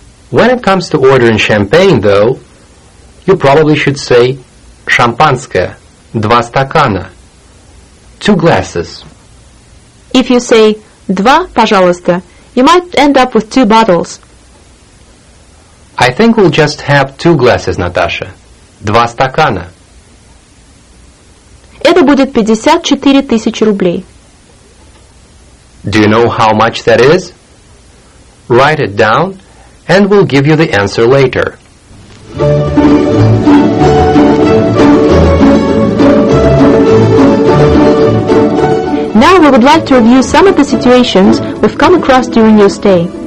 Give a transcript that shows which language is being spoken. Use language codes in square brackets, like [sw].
[en] When it comes to ordering champagne, though, you probably should say [ru] шампанское, два стакана, [en] two glasses. If you say [ru] два, пожалуйста, [en] you might end up with two bottles. I think we'll just have two glasses, Natasha. [ru] Два стакана. Это будет 54 тысячи рублей. [en] Do you know how much that is? Write it down, and we'll give you the answer later. Now we would like to review some of the situations we've come across during your stay.